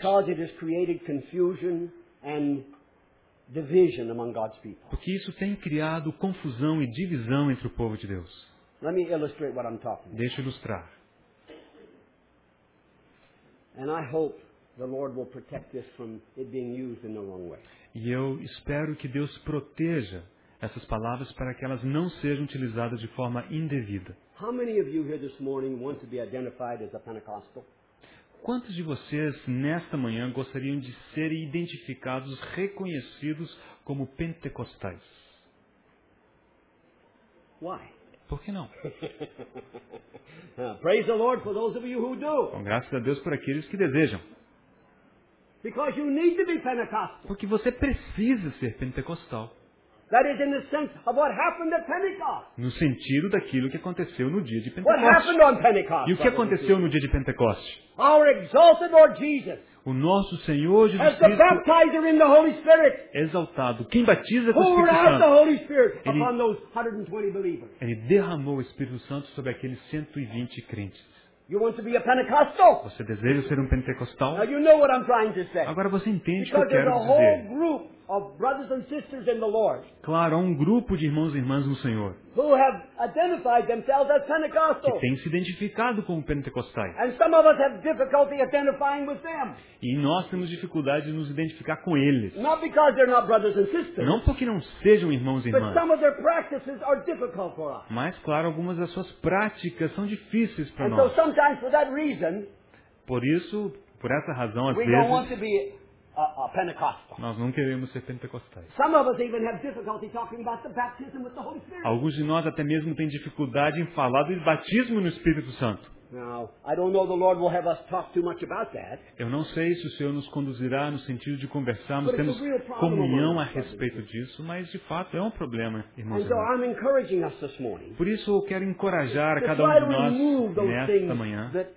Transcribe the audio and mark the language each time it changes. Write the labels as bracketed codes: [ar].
[en] porque it has created confusion and division among God's people. [pt] Porque isso tem criado confusão e divisão entre o povo de Deus. [en] Let me illustrate what I'm talking about. [pt] Deixa eu ilustrar. [en] And I hope the Lord will protect this from it being used in the wrong way. [pt] E eu espero que Deus proteja essas palavras para que elas não sejam utilizadas de forma indevida. [en] How many of you here this morning want to be identified as a Pentecostal? [pt] Quantos de vocês, nesta manhã, gostariam de ser identificados, reconhecidos como pentecostais? [en] Why? [pt] Por que não? [en] Praise the Lord for those of you who do. [pt] Com graças a Deus por aqueles que desejam. [en] Because you need to be Pentecostal. [pt] Porque você precisa ser pentecostal. [en] That is in the sense of what happened at Pentecost. [pt] No sentido daquilo que aconteceu no dia de Pentecostes. [en] What happened on Pentecost? [pt] E o que aconteceu no dia de Pentecostes? [en] Our exalted Lord Jesus. [pt] O nosso Senhor Jesus Cristo. [en] As the baptizer in the Holy Spirit. [pt] Exaltado. Quem batiza com o Espírito Santo? [en] Poured out the Holy Spirit upon those 120 believers. [pt] Ele derramou o Espírito Santo sobre aqueles 120 crentes. [en] You want to be a Pentecostal? [pt] Você deseja ser um pentecostal? [en] Now you know what I'm trying to say. [pt] Agora você entende [en] Because [pt] o que eu quero [en] a whole [pt] dizer. [en] Group of brothers and sisters in the Lord. [pt] Claro, há um grupo de irmãos e irmãs no Senhor. [en] Who have identified themselves as Pentecostal. [pt] Que têm se identificado como pentecostais. [en] And some of us have difficulty identifying with them. [pt] E nós temos dificuldade de nos identificar com eles. [en] Not because they're not brothers and sisters. [pt] Não porque não sejam irmãos e irmãs. [en] But some of their practices are difficult for us. [pt] Mas, claro, algumas das suas práticas são difíceis para nós. [en] And so sometimes for that reason, [pt] por isso, por essa razão, às [en] we [pt] vezes, [en] don't want to be a Pentecostal. [pt] Nós não queremos ser pentecostais. [en] Some of us even have difficulty talking about the baptism with the Holy Spirit. [pt] Alguns de nós até mesmo têm dificuldade em falar do batismo no Espírito Santo. [en] Now, I don't know the Lord will have us talk too much about that. [pt] Eu não sei se o Senhor nos conduzirá no sentido de conversarmos, temos comunhão a respeito disso, mas de fato é um problema, irmãos. [en] And so I'm encouraging us this morning. [pt] Por isso eu quero encorajar cada um de nós nesta manhã.